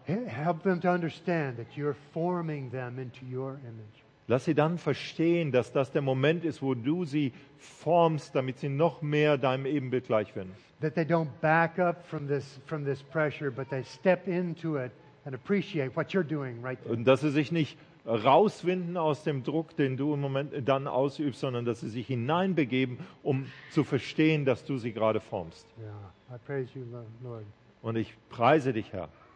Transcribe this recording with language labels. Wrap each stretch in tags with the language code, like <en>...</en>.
<de>helft ihnen zu verstehen, dass du sie in dein Bild formst. Lass sie dann verstehen, dass das der Moment ist, wo du sie formst, damit sie noch mehr deinem Ebenbild gleich werden.</de> <en>That they don't back up from this pressure, but they step into it and appreciate what you're doing right there.</en> <de>Und dass sie sich nicht rauswinden aus dem Druck, den du im Moment dann ausübst, sondern dass sie sich hineinbegeben, um zu verstehen, dass du sie gerade formst.</de> <en>Yeah, I praise you, Lord.</en> <de>Und ich preise dich, Herr.</de>